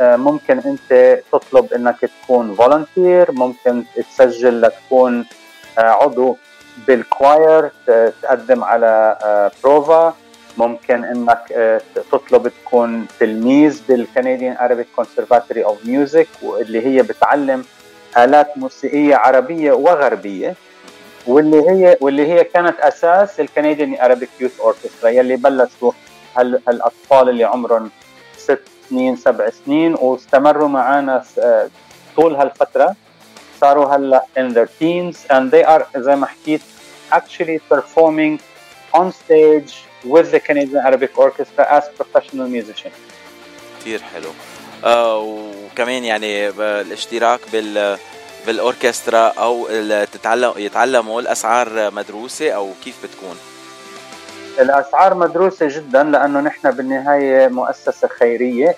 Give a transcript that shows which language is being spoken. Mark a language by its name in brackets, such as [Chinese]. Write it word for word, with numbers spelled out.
[Arabic] ممكن أنت تطلب إنك تكون volunteer، ممكن تسجل لتكون عضو بالكواير، تقدم على بروفا، ممكن انك تطلب تكون تلميذ بالكنديان عربي كونسرفاتوري اوف ميوزك واللي هي بتعلم آلات موسيقية عربية وغربية، واللي هي واللي هي كانت اساس الكنديان عربي يوث اوركسترا يلي بلشوا هالاطفال اللي عمرهم ست سنين سبع سنين واستمروا معنا طول هالفترة. صاروا هلا [English] in their teens and they are [Arabic] زي ما حكيت [English] actually performing on stage with the Canadian Arabic Orchestra as professional musicians. [Arabic] كتير حلو. آه وكمان يعني الاشتراك بال بالأوركسترا أو تتعلم يتعلموا الأسعار مدروسة أو كيف بتكون؟ الأسعار مدروسة جدا لأنه نحن بالنهاية مؤسسة خيرية.